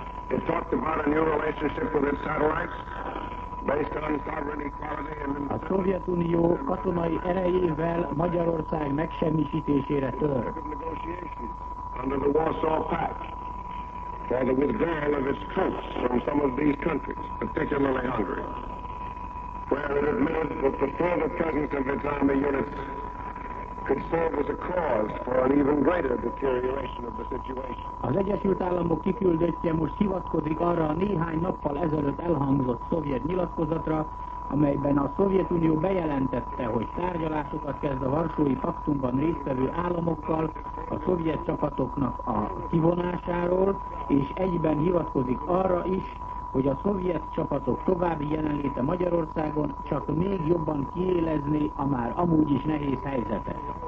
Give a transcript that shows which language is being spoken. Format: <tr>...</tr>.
<en>It talked about a new relationship with its satellites based on sovereign equality and</en> <hu>a Szovjetunió katonai erejével Magyarország megsemmisítésére tör.</hu> <en>Under the Warsaw Pact for the withdrawal of its troops from some of these countries, particularly Hungary, where it admitted that the further presence of its army units could serve as a cause for an even greater deterioration of the situation.</en> <hu>Az Egyesült Államok kiküldöttje most hivatkozik arra a néhány nappal ezelőtt elhangzott szovjet nyilatkozatra, amelyben a Szovjetunió bejelentette, hogy tárgyalásokat kezd a Varsói Paktumban résztvevő államokkal a szovjet csapatoknak a kivonásáról, és egyben hivatkozik arra is, hogy a szovjet csapatok további jelenléte Magyarországon csak még jobban kiélezné a már amúgy is nehéz helyzetet.</hu>